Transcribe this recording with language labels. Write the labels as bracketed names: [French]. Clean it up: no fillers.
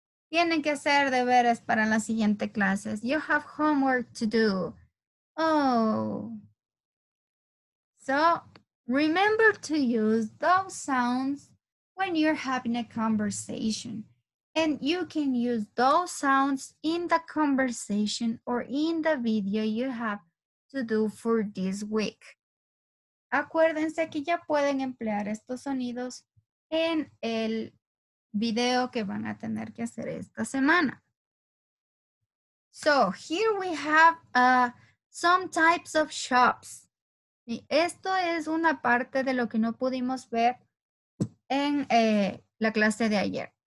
[Spanish] Tienen que hacer deberes para las siguientes clases. [English] You have homework to do. So, remember to use those sounds when you're having a conversation. And you can use those sounds in the conversation or in the video you have to do for this week. [Spanish] Acuérdense que ya pueden emplear estos sonidos en el video que van a tener que hacer esta semana. [English] So, here we have some types of shops. [Spanish] Y esto es una parte de lo que no pudimos ver en la clase de ayer.